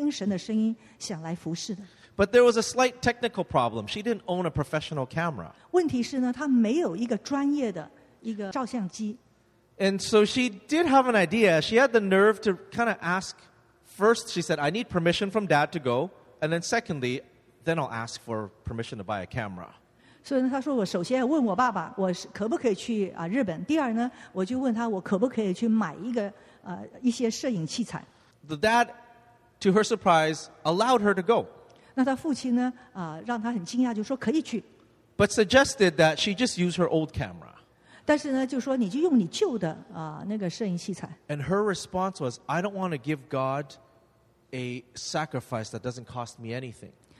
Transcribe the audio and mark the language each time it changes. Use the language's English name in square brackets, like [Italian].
[Chinese] 所以呢，这个姊妹来没有想凭着她家里的关系，她只是呢听神的声音想来服侍的。 [English] But there was a slight technical problem. She didn't own a professional camera. [Chinese] 问题是呢, 她没有一个专业的一个照相机。 [English] And so she did have an idea. She had the nerve to kind of ask. First, she said, I need permission from dad to go. And then secondly, then I'll ask for permission to buy a camera. [Chinese] 所以呢,她说我首先问我爸爸,我可不可以去日本。第二呢,我就问她,我可不可以去买一些摄影器材。 [English] The dad, to her surprise, allowed her to go. [Chinese] 那他父亲呢,让他很惊讶,就说可以去。 [English] But suggested that she just use her old camera. [Chinese] 但是呢,就说你就用你旧的那个摄影器材。 [English] And her response was, I don't want to give God a sacrifice that doesn't cost me anything.